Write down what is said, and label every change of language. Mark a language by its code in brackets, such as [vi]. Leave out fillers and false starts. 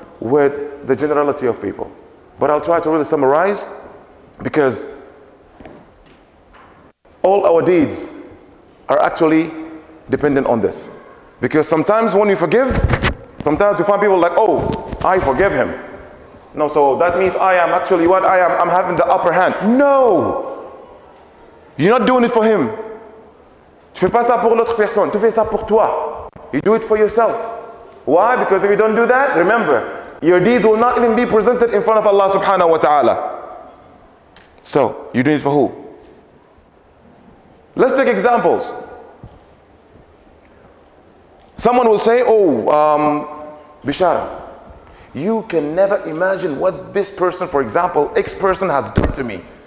[en] With the generality of people. But I'll try to really summarize, because all our deeds are actually dependent on this. Because sometimes when you forgive, sometimes you find people like, oh, I forgive him. No, so that means I am actually what I am, I'm having the upper hand. No! You're not doing it for him. [fr] Tu fais pas ça pour l'autre personne, tu fais ça pour toi. [en] You do it for yourself. Why? Because if you don't do that, remember, your deeds will not even be presented in front of Allah subhanahu wa ta'ala. So, you're doing it for who? Let's take examples. Someone will say, oh, Bichara, you can never imagine what this person, for example, X person has done to me.